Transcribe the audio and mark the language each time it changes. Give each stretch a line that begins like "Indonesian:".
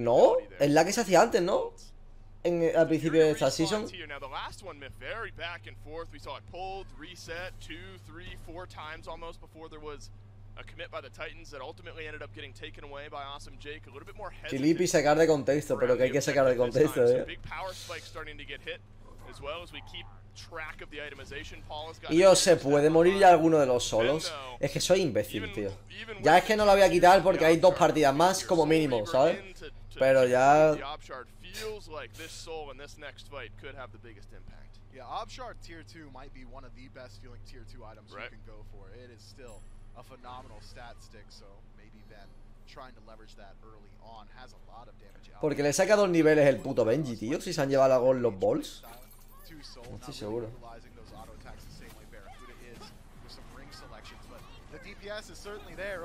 Spanish: No, es la que se hacía antes, ¿no? En al principio de esta season.
English: Now the last one went very back and forth. We saw it pulled, reset, 2, 3, 4 times almost before there was a commit by the Titans that ultimately ended up getting taken away by Awesome Jake. A little bit more
Spanish: Kilippi sacar de contexto, pero que hay que sacar de contexto, eh.
English: Big power spike starting to get hit as well as we keep track of the itemization.
Spanish: Yo, se puede morir ya alguno de los solos. Es que soy imbécil, tío. Ya es que no la voy a quitar porque hay dos partidas más como mínimo, ¿sabes? Pero ya
English: feels like this soul in this next fight could have the biggest impact. Yeah, Obshard tier 2 might be one of the best feeling tier 2 items you can go for. It is still a phenomenal stat stick, so maybe Ben trying to leverage that early on has a lot of damage.
Spanish: Porque le saca dos niveles el puto Benji, tío, si se han llevado a gol los balls. No estoy seguro.
English: Utilizing those auto attacks the same way Barracuda is with some ring selections, but the DPS is certainly there.